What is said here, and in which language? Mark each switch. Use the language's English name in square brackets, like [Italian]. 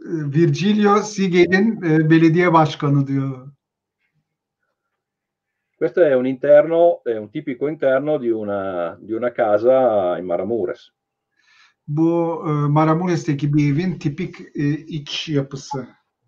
[Turkish] Virgilio Siget'in belediye başkanı diyor. [Italian] Questo è un interno, è un tipico interno di una casa in Maramures. [Turkish] Bu Maramures'teki bir evin tipik iç yapısı.